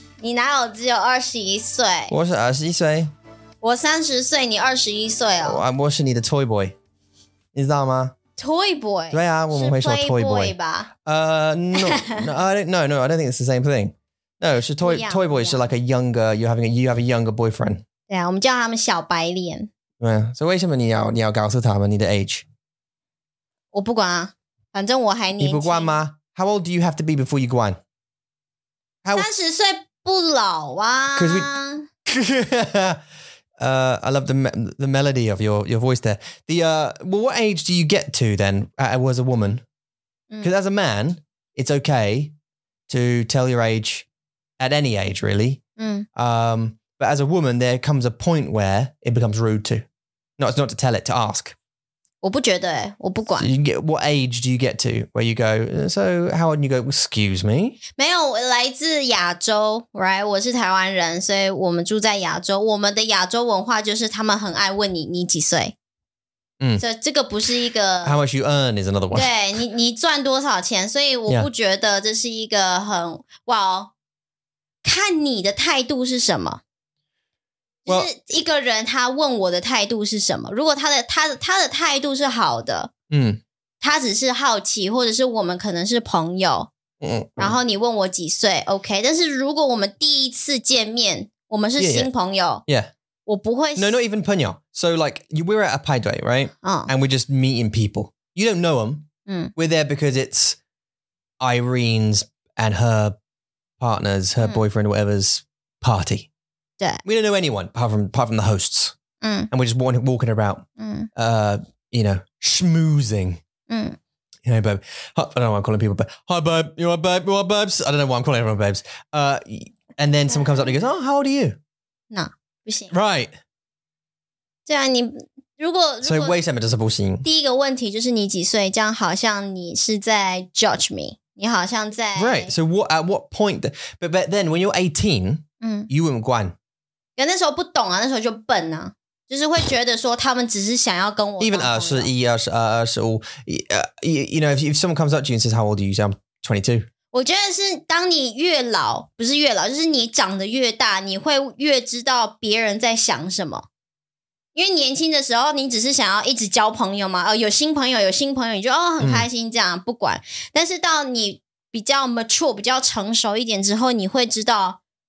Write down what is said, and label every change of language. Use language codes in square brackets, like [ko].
[zh] 你哪有只有21岁？我是21岁。我30岁，你21岁哦。我是你的 toy boy， 你知道吗 [en] ？Toy boy， [zh] 对啊，我们会说 toy boy 吧？ [en] No, I don't think it's the same thing. No, 是 toy boy 是 like a younger. You have a younger boyfriend. [zh] 对啊，我们叫他们小白脸。对啊，所以为什么你要告诉他们你的 age？我不管啊，反正我还年轻。你不管吗 [en] ？How old do you have to be before you go on？ [zh] 30岁不老啊 [en] Cause we, I love the melody of your voice there. Well, what age do you get to then as a woman? Because as a man, it's okay to tell your age at any age, really. But as a woman, there comes a point where it becomes rude to. No, it's not to tell it, to ask. [zh] 我不觉得欸,我不管。 [en] So、you get, what age do you get to where you go, so how old you go, excuse me? [zh] 没有,来自亚洲 , [en] right? [zh] 我是台湾人,所以我们住在亚洲。我们的亚洲文化就是他们很爱问你几岁。所以这个不是一个。 [en] How much you earn is another one. [zh] 对,你赚多少钱,所以我不觉得这是一个很,看你的态度是什么。 [en] Well, [zh] 就是一个人他问我的态度是什么如果他的态度是好的他只是好奇或者是我们可能是朋友然后你问我几岁 OK 但是如果我们第一次见面我们是新朋友 [en] yeah. [zh] 我不会 [en] No, not even 朋友 So like, we're at a 派对 right?、And we're just meeting people You don't know them、We're there because it's Irene's and her partner's, her boyfriend whatever's party We don't know anyone apart from the hosts. And we're just walking about, you know, schmoozing. You know, babe. I don't know why I'm calling people, but hi, babe. You are babe. You are babes. I don't know why I'm calling everyone babes. And then someone comes up and goes, oh, how old are you? No, [zh] 不行 [en] Right. [zh] 对啊，你如果所以为什么这是不行？第一个问题就是你几岁？这样好像你是在 [en] judge me. [zh] 你好像在 [en] Right. So what at what point? But then when you're 18, you wouldn't go on. [zh] 因为那时候不懂啊，那时候就笨啊，就是会觉得说他们只是想要跟我。 [en] Even 21, 22, 25, you know, if someone comes up to you and says, "How old are you?" I'm 22. [zh] 我觉得是当你越老，不是越老，就是你长得越大，你会越知道别人在想什么。因为年轻的时候，你只是想要一直交朋友嘛，有新朋友，有新朋友，你就很开心这样，不管。但是到你比较 mature, 比较成熟一点之后，你会知道。